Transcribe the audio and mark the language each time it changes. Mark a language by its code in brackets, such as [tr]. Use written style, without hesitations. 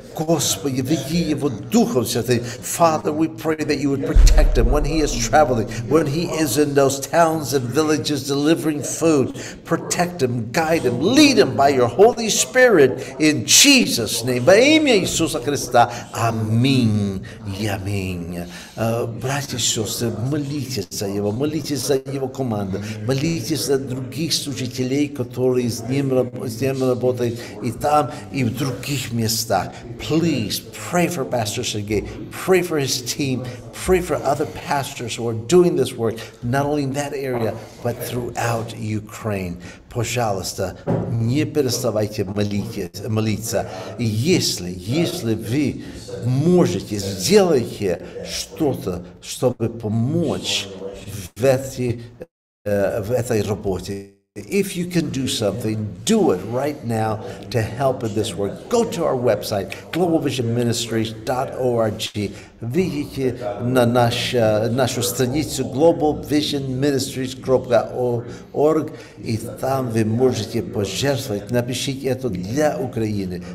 [ru] Господи, веди его Духом Святым. [en] Father, we pray that you would protect him when he is traveling, when he is in those towns and villages delivering food. Protect him, guide him, lead him by your Holy Spirit in Jesus' name. [ru] Во имя Иисуса Христа. Аминь. Аминь. Братья и сестры, молитесь за его, молитесь за его команду, молитесь за других служителей, которые с ним работают и там, и в других местах. [en] Please pray for Pastor Сергей, pray for his team, pray for other pastors who are doing this work, not only in that area, but throughout Ukraine. [ru] Пожалуйста, не переставайте молиться. Если вы можете, сделайте что-то, чтобы помочь в этой... в этой работе. [en] If you can do something, do it right now to help in this work. Go to our website, globalvisionministries.org. [ru] Видите на нашу страницу globalvisionministries.org, и там вы можете пожертвовать, напишите это для Украины.